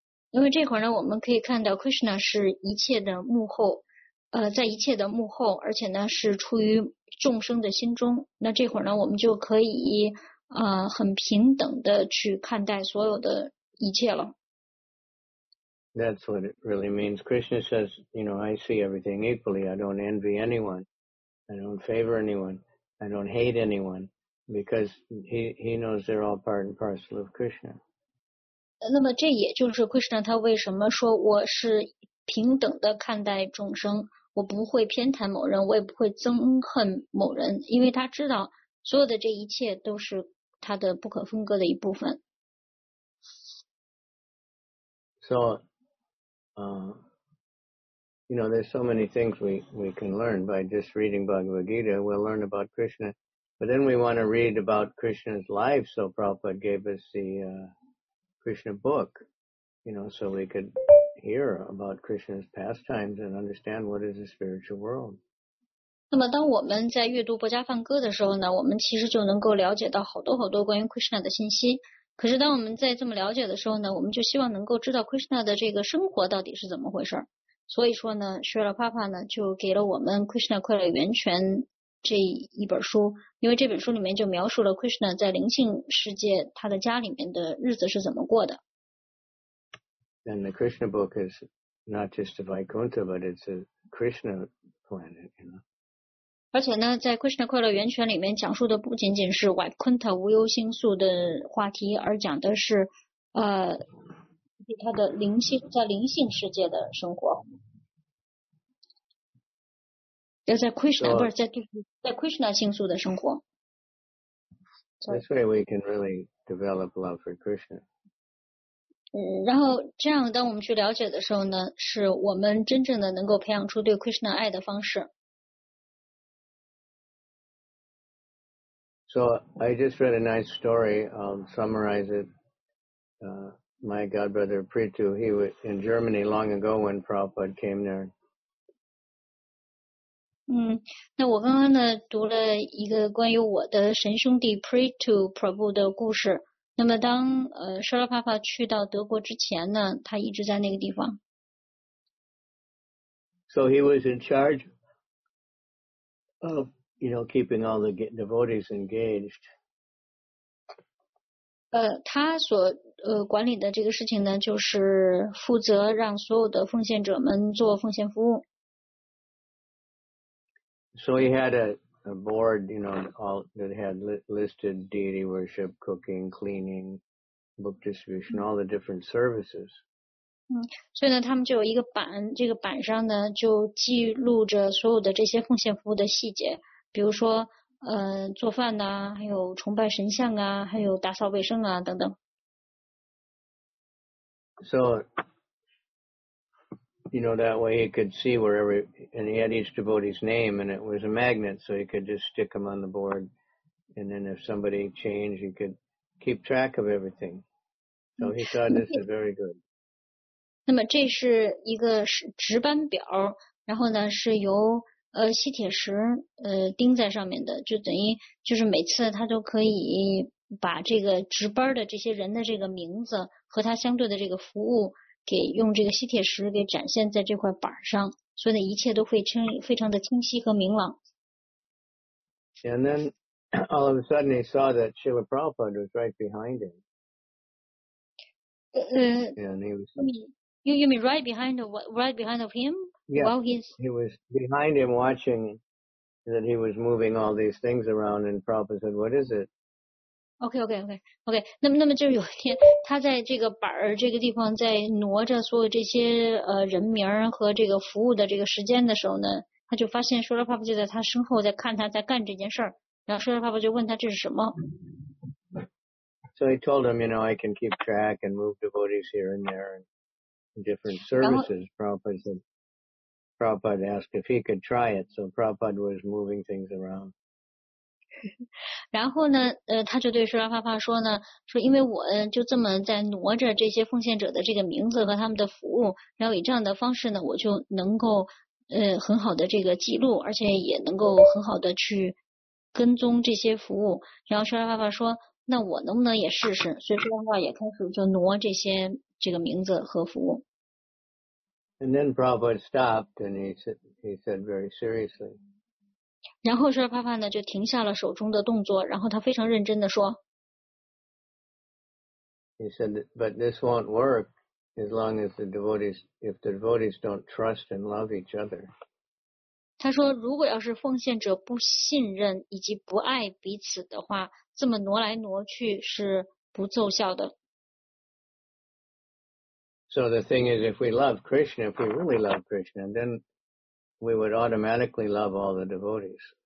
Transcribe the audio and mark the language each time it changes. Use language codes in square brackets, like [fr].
[zh] 因为这会儿呢，我们可以看到 Krishna 是一切的幕后，在一切的幕后，而且呢是出于众生的心中。那这会儿呢，我们就可以很平等的去看待所有的一切了。 [en] That's what it really means. Krishna says, you know, I see everything equally. I don't envy anyone. I don't favor anyone. I don't hate anyone. Because he knows they're all part and parcel of Krishna. [zh] 那么这也就是 Krishna 他为什么说我是平等的看待众生，我不会偏袒某人，我也不会憎恨某人，因为他知道所有的这一切都是他的不可分割的一部分。 [en] So,you know, there's so many things we can learn by just reading Bhagavad Gita. We'll learn about Krishna. But then we want to read about Krishna's life. So Prabhupada gave us the Krishna book, you know, so we could hear about Krishna's pastimes and understand what is the spiritual world. [zh] 那么当我们在阅读《薄伽梵歌》的时候呢，我们其实就能够了解到好多好多关于 Krishna 的信息。可是当我们在这么了解的时候呢，我们就希望能够知道 Krishna 的这个生活到底是怎么回事。所以说呢，Srila Prabhupada呢就给了我们 Krishna 快乐源泉这一本书，因为这本书里面就描述了 Krishna 在灵性世界他的家里面的日子是怎么过的。 [en] And the Krishna book is not just a Vaikuntha, but it's a Krishna planet, you know. [zh] 而且呢，在 Krishna 快乐源泉里面讲述的不仅仅是 Vaikuntha 无忧星宿的话题，而讲的是他的灵性在灵性世界的生活。在 Krishna 星宿的生活。 [en] That's why we can really develop love for Krishna. [zh] 然后这样当我们去了解的时候呢，是我们真正的能够培养出对 Krishna 爱的方式。 [en] So I just read a nice story, I'll summarize it. My godbrother Prithu, he was in Germany long ago when Prabhupada came there. [zh] 那我刚刚呢读了一个关于我的神兄弟 Prithu Prabhu 的故事。那么当Srila Prabhupada 去到德国之前呢，他一直在那个地方。 [en] So he was in charge of, you know, keeping all the devotees engaged. [zh] 他所管理的这个事情呢，就是负责让所有的奉献者们做奉献服务。 [en] So he had a board, you know, all that had listed deity worship, cooking, cleaning, book distribution, all the different services. [zh] 所以呢，他们就有一个板，这个板上呢就记录着所有的这些奉献服务的细节。比如说做饭呐、还有崇拜神像啊，还有打扫卫生啊等等。 [en] So, you know, that way he could see and he had each devotee's name and it was a magnet, so he could just stick them on the board. And then if somebody changed, he could keep track of everything. So he thought this is very good. [zh] 那么这是一个值班表，然后呢是由吸铁石钉在上面的，就等于就是每次他都可以把这个值班的这些人的这个名字和他相对的这个服务给用这个吸铁石给展现在这块板上，所以呢一切都会非常的清晰和明朗。 [en] And then all of a sudden he saw that Srila Prabhupada was right behind him. And he was you mean right behind of him? Yeah, while he's... he was behind him watching that he was moving all these things around, and Prabhupada said, what is it? Okay. [zh] 那么就是有一天，他在这个板儿这个地方在挪着所有这些人名和这个服务的这个时间的时候呢，他就发现舒拉帕帕就在他身后在看他在干这件事儿，然后舒拉帕帕就问他这是什么。 [en] So he told him, you know, I can keep track and move devotees here and there and different services. Prabhupada asked if he could try it, so Prabhupada was moving things around. [zh] 然后呢他就对舒拉帕帕说呢，说因为我就这么在挪着这些奉献者的这个名字和他们的服务，然后以这样的方式呢我就能够很好的这个记录，而且也能够很好的去跟踪这些服务。然后舒拉帕帕说那我能不能也试试，所以舒拉帕帕也开始就挪这些这个名字和服务。 [en] And then Prabhupada stopped and he said very seriously. [zh] 然后舒拉帕帕呢就停下了手中的动作，然后他非常认真的说 [en] He said, but this won't work as long as if the devotees don't trust and love each other. [zh] 他说如果要是奉献者不信任以及不爱彼此的话，这么挪来挪去是不奏效的。 [en] So the thing is, if we love Krishna, if we really love Krishna, thenWe would automatically love all the devotees.